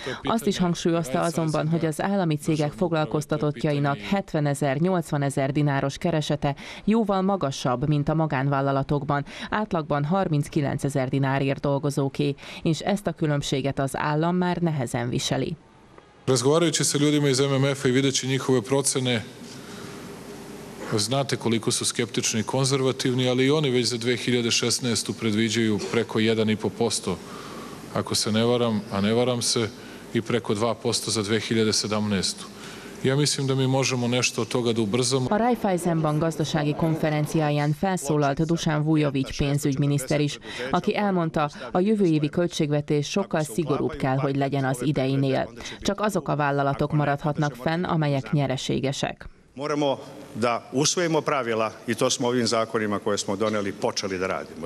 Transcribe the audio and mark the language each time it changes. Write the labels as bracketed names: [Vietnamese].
[Hungarian] Azt is hangsúlyozta azonban, hogy az állami cégek foglalkoztatottjainak 70 000–80 000 dináros keresete jóval magasabb, mint a magánvállalatokban, átlagban 39 000 dinárért dolgozóké, és ezt a különbséget az állam már nehezen viseli. [Serbian] Разговарајући са људима из MMF-а и видећи њихове процене, знате колико су скептични и конзервативни, али и они већ за 2016-у предвиђају преко 1,5%, ако се не варам, а не варам се, и преко 2% за 2017-у. Ja mislim, da mi možemo nešto od toga da ubrzamo. [Hungarian] A Raiffeisen Bank gazdasági konferenciáján felszólalt Dusan Vujović pénzügyminiszter is, aki elmondta, a jövő évi költségvetés sokkal szigorúbb kell, hogy legyen az ideinél. Csak azok a vállalatok maradhatnak fenn, amelyek nyereségesek. [Serbian] Moramo da usvojimo pravila i to smo ovim zakonima koje smo doneli počeli da radimo.